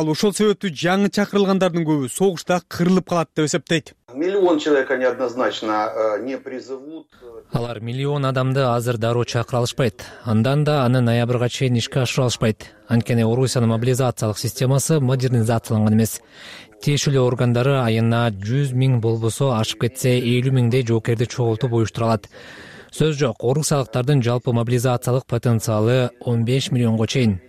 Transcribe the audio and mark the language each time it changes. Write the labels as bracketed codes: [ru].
[ky] Ал ошол себептүү жаңы чакырылгандардын көбү согушта кырылып калат деп эсептейт. [ru] Миллион человек они однозначно не призовут. [ky] Алар миллион адамды азыр дароо чакыра алышпайт. Андан да аны ноябрга чейин ишке ашыра алышпайт. Анткени Орусиянын мобилизациялык системасы модернизацияланган эмес. Тиешелүү органдары айына 100,000 болбосо ашып кетсе 50,000 жоокерди чогултуп уюштура алат. Сөз жок, орусиялыктардын жалпы мобилизациялык потенциалы 15 миллионго чейин.